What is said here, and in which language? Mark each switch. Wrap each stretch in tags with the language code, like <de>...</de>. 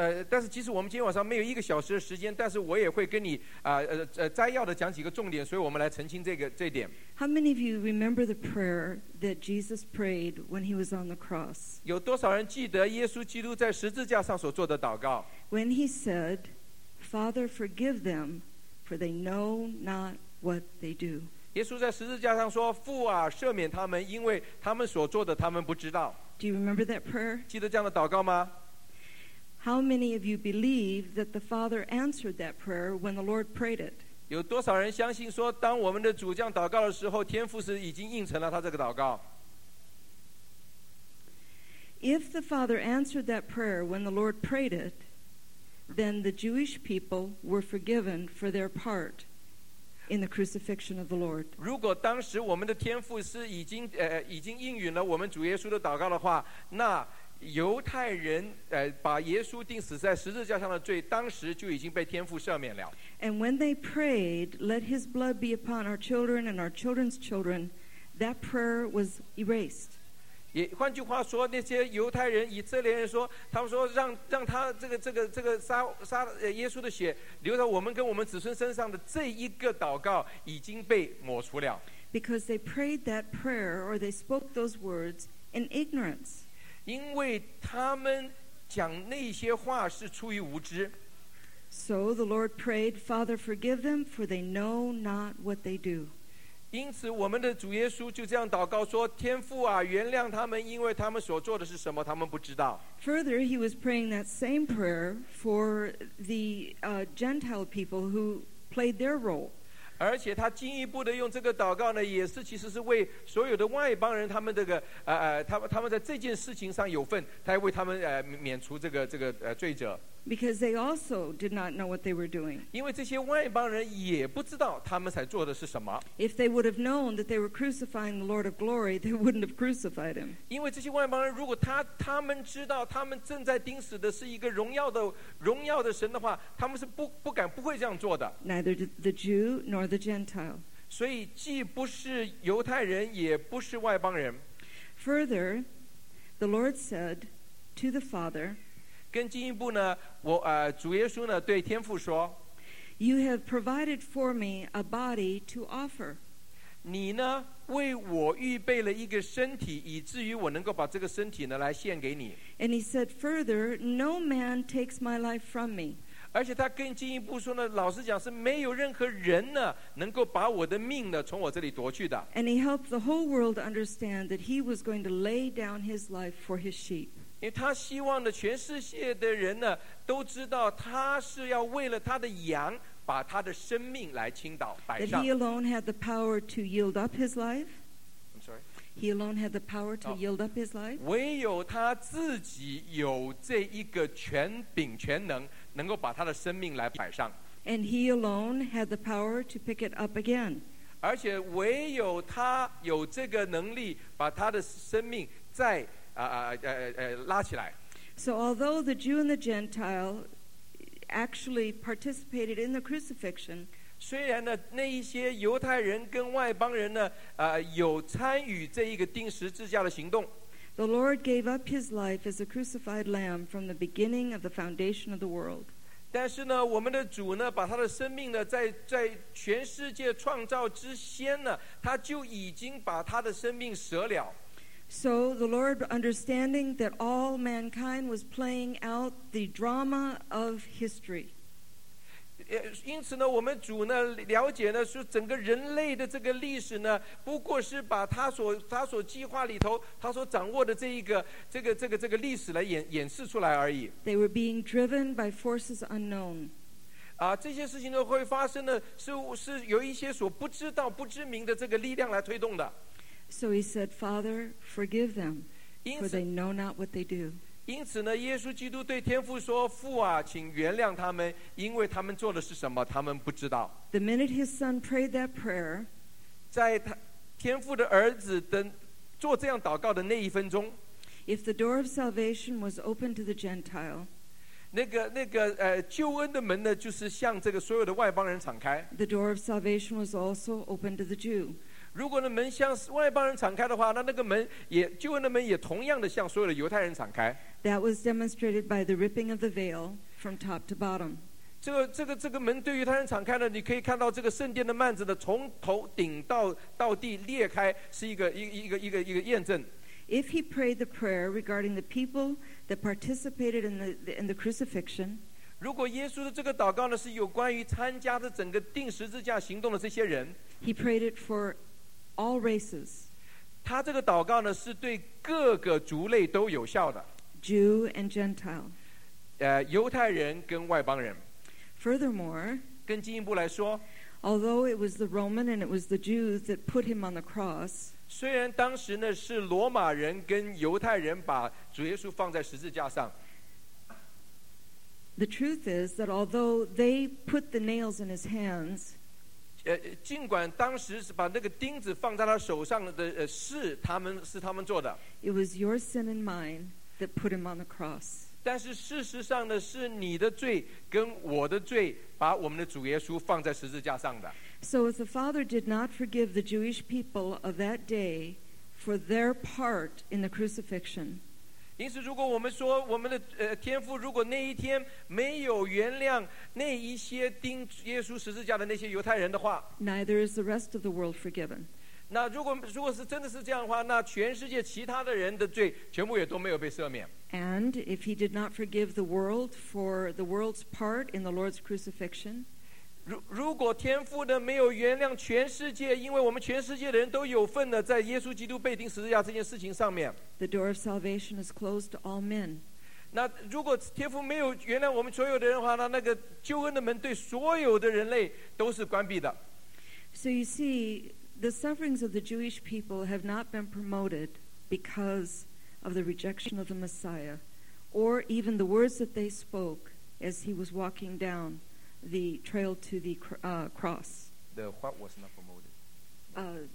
<zh>但是即使我们今天晚上没有一个小时的时间但是我也会跟你、摘要的讲几个重点所以我们来澄清这点</zh> <en>How many of you remember the prayer that Jesus prayed when he was on the cross?</en> <zh>有多少人记得耶稣基督在十字架上所做的祷告</zh> <en>When he said Father forgive them for they know not what they do</en> <zh>耶稣在十字架上说父啊赦免他们因为他们所做的他们不知道</zh> <en>Do you remember that prayer?</en> <zh>记得这样的祷告吗</zh> <en>How many of you believe that the Father answered that prayer when the Lord prayed it?</en> <zh>有多少人相信说当我们的主这样祷告的时候天父是已经应承了他这个祷告</zh> <en>If the Father answered that prayer when the Lord prayed it, then the Jewish people were forgiven for their part. In the crucifixion of the Lord.</en> <zh>如果当时我们的天父是已经应允了我们主耶稣的祷告的话，那犹太人把耶稣钉死在十字架上的罪，当时就已经被天父赦免了。</zh> <en>And when they prayed, "Let His blood be upon our children and our children's children," that prayer was erased.</en> <zh>也换句话说，那些犹太人以色列人说，他们说让他这个杀耶稣的血流到我们跟我们子孙身上的这一个祷告已经被抹除了。</zh> <en>Because they prayed that prayer or they spoke those words in ignorance.</en> <zh>因为他们讲那些话是出于无知。</zh> <en>So the Lord prayed, "Father, forgive them, for they know not what they do."</en> <zh>因此我们的主耶稣就这样祷告说天父啊原谅他们因为他们所做的是什么他们不知道</zh> <en>Further he was praying that same prayer for the、Gentile people who played their role</en> <zh>而且他进一步的用这个祷告呢也是其实是为所有的外邦人他们这个、他们在这件事情上有份他还为他们、免除这个、罪责</zh> <en>Because they also did not know what they were doing.</en> <zh>因为这些外邦人也不知道他们才做的是什么。</zh> <en>If they would have known that they were crucifying the Lord of Glory, they wouldn't have crucified him.</en> <zh>因为这些外邦人如果他们知道他们正在钉死的是一个荣耀的神的话，他们是不会这样做的。</zh> <en>Neither the Jew nor the Gentile.</en> <zh>所以既不是犹太人，也不是外邦人。</zh> <en>Further, the Lord said to the Father.</en> <zh>更进一步呢我、主耶稣呢对天父说</zh> <en>You have provided for me a body to offer</en> <zh>你呢为我预备了一个身体以至于我能够把这个身体呢来献给你</zh> <en>And he said further No man takes my life from me</en> <zh>而且他更进一步说呢老实讲是没有任何人呢能够把我的命呢从我这里夺去的</zh> <en>And he helped the whole world understand that he was going to lay down his life for his sheep</en> <zh>因为他希望的全世界的人呢都知道他是要为了他的羊把他的生命来倾倒摆上</zh> <en>That he alone had the power to yield up his life I'm sorry He alone had the power to yield up his life</en> <zh>唯有他自己有这一个权柄权能能够把他的生命来摆上</zh> <en>And he alone had the power to pick it up again</en> <zh>而且唯有他有这个能力把他的生命再拉起来</zh> <en>So although the Jew and the Gentile actually participated in the crucifixion.</en> <zh>虽然呢，那一些犹太人跟外邦人呢，有参与这一个钉十字架的行动。</zh> <en>The Lord gave up His life as a crucified lamb from the beginning of the foundation of the world.</en> <zh>但是呢，我们的主呢，把他的生命呢，在全世界创造之先呢，他就已经把他的生命舍了。</zh> <en>So the Lord, understanding that all mankind was playing out the drama of history.</en> <zh>因此呢，我们主呢，了解呢，是整个人类的这个历史呢，不过是把他所计划里头，他所掌握的这个历史来演示出来而已。</zh> <en>They were being driven by forces unknown.</en> <zh>这些事情呢，会发生呢，是由一些所不知道、不知名的这个力量来推动的。</zh> <en>So he said, Father, forgive them, for they know not what they do.</en> <zh>因此呢，耶稣基督对天父说，父啊，请原谅他们，因为他们做的是什么，他们不知道。</zh> <en>The minute his son prayed that prayer,</en> <zh>在天父的儿子做这样祷告的那一分钟，</zh> <en>if the door of salvation was open to the Gentile,</en> <zh>那个救恩的门呢，就是向这个所有的外邦人敞开。</zh> <en>The door of salvation was also open to the Jew.</en> <zh>如果那门向外邦人敞开的话，那个门也救恩的门也同样的向所有的犹太人敞开。</zh> <en>That was demonstrated by the ripping of the veil from top to bottom.</en> <zh>这个门对犹太人敞开呢，你可以看到这个圣殿的幔子呢，从头顶到地裂开，是一个验证。</zh> <en>If he prayed the prayer regarding the people that participated in the crucifixion.</en> <zh>如果耶稣的这个祷告呢，是有关于参加的整个钉十字架行动的这些人</zh> <en>，He prayed it for all races.</en> <zh>他这个祷告呢，是对各个族类都有效的</zh> <en>，Jew and Gentile.</en> <zh>犹太人跟外邦人。</zh> <en>Furthermore,</en> <zh>更进一步来说</zh> <en>，Although it was the Roman and it was the Jews that put him on the cross.</en> <zh>虽然当时呢是罗马人跟犹太人把主耶稣放在十字架上。</zh> <en>The truth is that although they put the nails in his hands,</en> <zh>尽管当时是把那个钉子放在他手上的事，他们做的。</zh> <en>It was your sin and mine that put him on the cross.</en> <zh>但是事实上呢，是你的罪跟我的罪把我们的主耶稣放在十字架上的。</zh> <en>So if the Father did not forgive the Jewish people of that day for their part in the crucifixion.</en> <zh>因此如果我们说我们的天父如果那一天没有原谅那一些钉耶稣十字架的那些犹太人的话</zh> <en>Neither is the rest of the world forgiven</en> <zh>那如果是真的是这样的话那全世界其他的人的罪全部也都没有被赦免</zh> <en>And if he did not forgive the world for the world's part in the Lord's crucifixion</en> <zh>如果天父呢没有原谅全世界因为我们全世界的人都有份的在耶稣基督被钉十字架这件事情上面</zh> <en>The door of salvation is closed to all men</en> <zh>那如果天父没有原谅我们所有的人的话那个救恩的门对所有的人类都是关闭的</zh> <en>So you see the sufferings of the Jewish people have not been promoted because of the rejection of the Messiah or even the words that they spoke as he was walking downthe trail to the cross. The what was not promoted?</en>